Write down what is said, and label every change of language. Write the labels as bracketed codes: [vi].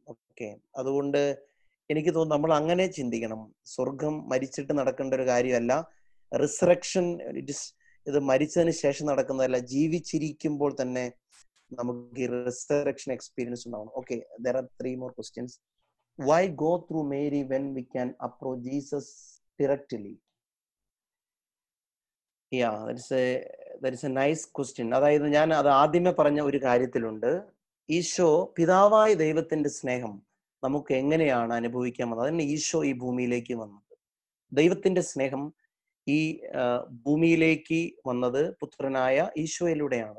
[ml] Okay, അതുകൊണ്ട് എനിക്ക് തോന്നുന്നു നമ്മൾ അങ്ങനെ ചിന്തിക്കണം. സ്വർഗം മരിച്ചിട്ട് നടക്കേണ്ട ഒരു കാര്യമല്ല, റിസറക്ഷൻ ഇത് മരിച്ചതിന് ശേഷം നടക്കുന്നതല്ല, ജീവിച്ചിരിക്കുമ്പോൾ തന്നെ നമുക്ക് ഈ റിസറക്ഷൻ എക്സ്പീരിയൻസ് ഉണ്ടാവണം. Okay, [en] There are 3 more questions. Why go through Mary when we can approach Jesus directly? Yeah, that is a nice question. [ml] അതായത് ഞാൻ അത് ആദ്യമേ പറഞ്ഞ ഒരു കാര്യത്തിലുണ്ട്, ഈശോ പിതാവായ ദൈവത്തിന്റെ സ്നേഹം നമുക്ക് എങ്ങനെയാണ് അനുഭവിക്കാൻ വന്നത്, അതിന് ഈശോ ഈ ഭൂമിയിലേക്ക് വന്നത്. ദൈവത്തിന്റെ സ്നേഹം ഈ ഭൂമിയിലേക്ക് വന്നത് പുത്രനായ ഈശോയിലൂടെയാണ്.